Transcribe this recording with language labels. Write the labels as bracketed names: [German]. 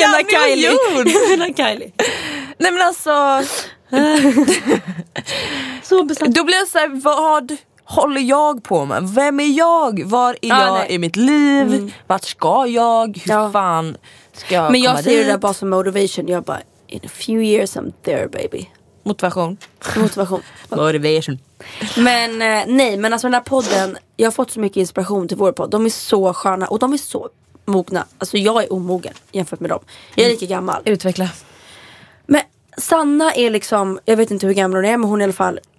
[Swedish] Jag menar Kylie. Jag menar Kylie. Nej men alltså, så besatt. Då blir jag så här, vad håller jag på med? Vem är jag? Var är jag i mitt liv? Mm. Vart ska jag? Hur fan ska jag, men jag komma ser det där bara som motivation. Jag bara, [English] in a few years I'm there baby. [Swedish] Motivation. Motivation. Motivation. Men nej, men alltså den här podden, jag har fått så mycket inspiration till vår podd. De är så sköna och de är så mogna. Alltså jag är omogen jämfört med dem. Jag är lika gammal. Utveckla. Men Sanna är liksom, jag vet inte hur gammal hon är, men hon är i alla fall,